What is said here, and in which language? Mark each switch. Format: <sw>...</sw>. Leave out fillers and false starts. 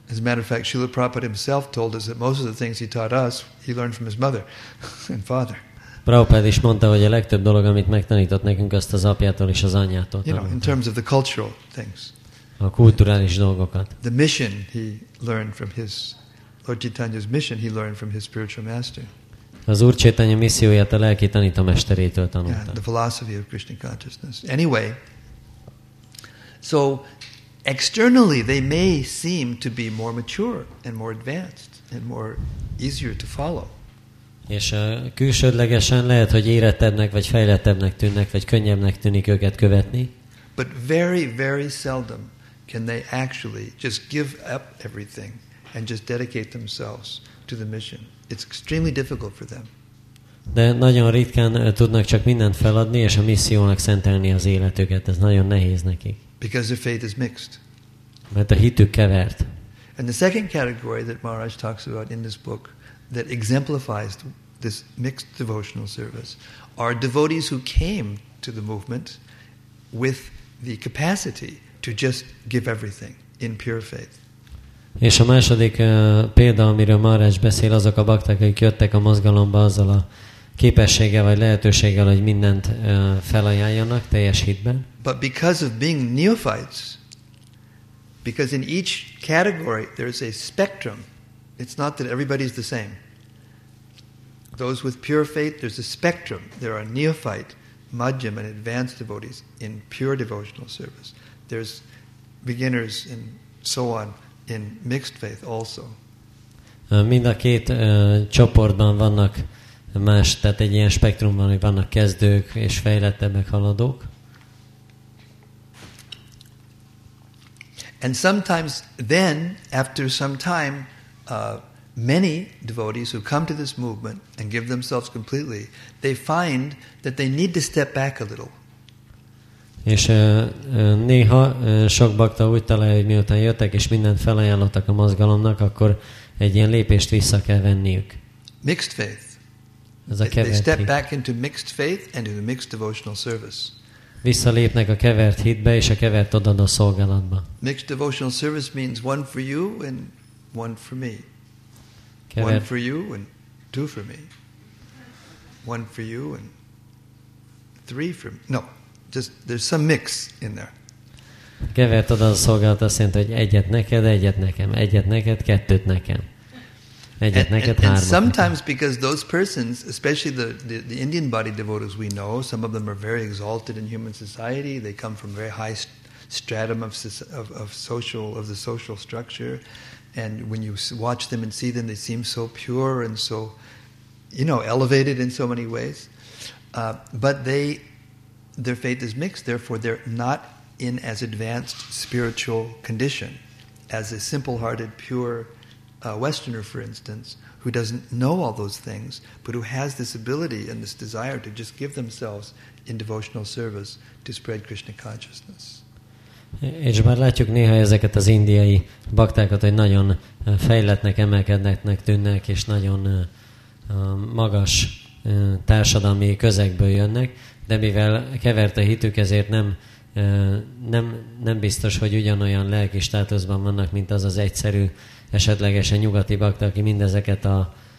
<en>As a matter of fact, Srila Prabhupada himself told us that most of the things he taught us, he learned from his mother and father.</en> <hu>Prabhupád is mondta, hogy a legtöbb dolog, amit megtanított nekünk, azt az apjától és az anyjától tanulta.</hu> <en>You know, in terms of the cultural things.</en> <hu>A kulturális dolgokat.</hu> <en>The mission he learned from his, Lord Chaitanya's mission he learned from his spiritual master.</en> <hu>Az Úr Chaitanya misszióját a lelki tanítómesterétől tanulta.</hu> <en>Yeah, the philosophy of Krishna consciousness. Anyway, so externally they may seem to be more mature and more advanced and more easier to follow.</en> <hu>És külsődlegesen lehet, hogy érettebbnek, vagy fejlettebbnek tűnnek, vagy könnyebbnek tűnik őket követni.</hu> <en>But very, very seldom can they actually just give up everything and just dedicate themselves to the mission. It's extremely difficult for them.</en> <hu>De nagyon ritkán tudnak csak mindent feladni, és a missziónak szentelni az életüket. Ez nagyon nehéz nekik.</hu> <en>Because their faith is mixed.</en> <hu>Mert a hitük kevert.</hu> <en>And the second category that Maharaj talks about in this book that exemplifies this mixed devotional service are devotees who came to the movement with the capacity to just give everything in pure faith.</en> <hu>És a második példa, amiről Maharaj beszél, azok a bakták, akik jöttek a mozgalomba azzal a képességgel vagy lehetőséggel, hogy mindent felajánljanak teljes hitben.</hu> <en>But because of being neophytes, because in each category there is a spectrum. It's not that everybody is the same. Those with pure faith, there's a spectrum. There are neophyte, madhyam, and advanced devotees in pure devotional service. There's beginners and so on in mixed faith also.</en> <hu>Mind a két csoportban vannak más, tehát egy ilyen spektrumban vannak kezdők és fejlettebbek, haladók.</hu> <en>And sometimes then, after some time, many devotees who come to this movement and give themselves completely, they find that they need to step back a little.</en> <hu>És néha sok bakta úgy találja, hogy miután jöttek és mindent felajánlottak a mozgalomnak, akkor egy ilyen lépést vissza kell venniük.</hu> <en>Mixed faith.</en> <hu>Ez a kevert hit.</hu> <en>They step back into mixed faith and into mixed devotional service.</en> <hu>Visszalépnek a kevert hitbe és a kevert odaadó szolgálatba.</hu> <en>Mixed devotional service means one for you and one for me. One for you and two for me. One for you and three for me. No, just there's some mix in there.</en> <hu>Kevert oda a szolgálat, azt jelenti, hogy egyet neked, egyet nekem, egyet neked, kettőt nekem. Egyet</hu> <en>and,</en> <hu>neked,</hu> <en>and,</en> <hu>hármat.</hu> <en>And sometimes because those persons, especially the Indian body devotees we know, some of them are very exalted in human society. They come from very high stratum of the social structure. And when you watch them and see them, they seem so pure and so, you know, elevated in so many ways. But their faith is mixed, therefore they're not in as advanced spiritual condition as a simple-hearted, pure Westerner, for instance, who doesn't know all those things, but who has this ability and this desire to just give themselves in devotional service to spread Krishna consciousness.</en> <hu>És már látjuk néha ezeket az indiai baktákat, hogy nagyon fejletnek, emelkednek, tűnnek, és nagyon magas társadalmi közegből jönnek, de mivel kevert a hitük, ezért nem biztos, hogy ugyanolyan lelki státuszban vannak, mint az az egyszerű, esetlegesen nyugati bakta, aki mindezeket a</hu>